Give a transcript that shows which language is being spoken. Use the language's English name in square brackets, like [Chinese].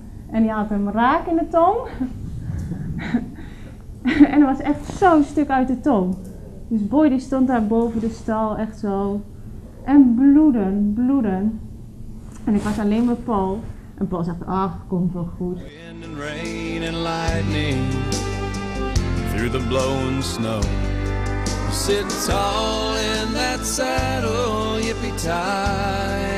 [Dutch] En die had hem raak in de tong. En hij was echt zo'n stuk uit de tong. Dus boy die stond daar boven de stal echt zo. En bloeden. En ik was alleen met Paul. En Paul zegt, komt wel goed. [English] Rain and lightning through the blowing snow. Sit tall in that saddle, yippee-tie.